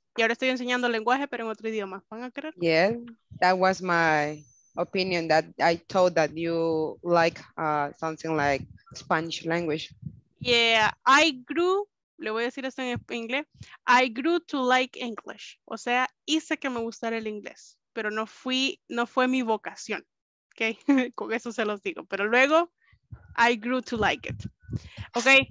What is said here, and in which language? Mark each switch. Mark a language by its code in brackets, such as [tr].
[es] Y ahora estoy enseñando lenguaje, pero en otro idioma. ¿Van a creer? [en] Yeah, that was my opinion that I thought that you like something like Spanish language. Yeah, I grew, [es] le voy a decir esto en inglés, [en] I grew to like English. [es] O sea, hice que me gustara el inglés, pero no fue mi vocación. Okay, con eso se los digo. Pero luego, [en] I grew to like it. [es] Okay.